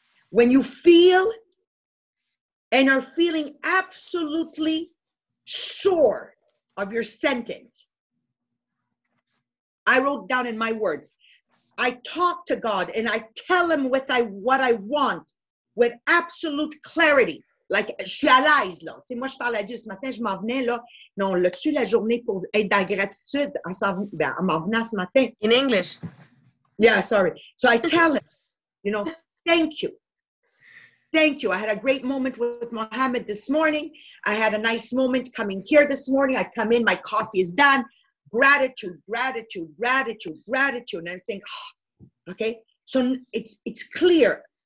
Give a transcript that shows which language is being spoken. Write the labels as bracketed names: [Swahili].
[English] When you feel and are feeling absolutely sure of your sentence, I wrote down in my words, I talk to God and I tell him what I want with absolute clarity. [French] Like, je suis à l'aise, là. Tu sais, moi, je parle à Dieu ce matin, je m'en venais, là. Non, l'as-tu la journée pour être dans la gratitude en m'en venant ce matin? [English] In English. Yeah, sorry. So I tell him, you know, thank you. Thank you. I had a great moment with Mohammed this morning. I had a nice moment coming here this morning. I come in, my coffee is done. Gratitude. And I'm saying, oh, okay. So it's clear.